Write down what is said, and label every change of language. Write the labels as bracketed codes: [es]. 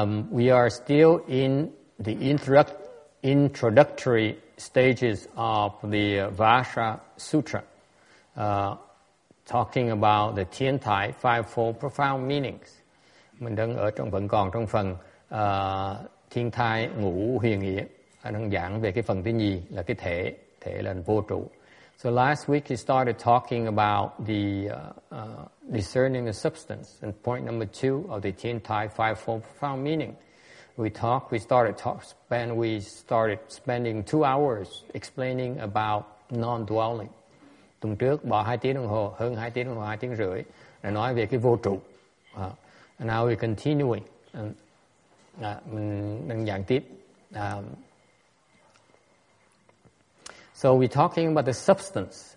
[en] We are still in the introductory stages of the Vajra Sutra, talking about the Thiên Thai Fivefold Profound Meanings. [vi] Mình đang ở trong vẫn còn trong phần Thiên Thai Ngũ Huyền Nghĩa. Anh đang giảng về cái phần thứ nhì là cái thể, thể là vô trụ. [en] So last week he started talking about the discerning the substance, and point number two of the Thiên Thai Fivefold Profound Meaning. We started spending 2 hours explaining about non-dwelling. [vi] Tuần trước bỏ 2 tiếng đồng hồ, hơn 2 tiếng đồng hồ, 2 tiếng rưỡi để nói về cái vô trụ. [en] And now we're continuing. [vi] Mình đang giảng tiếp. [en] So we're talking about the substance.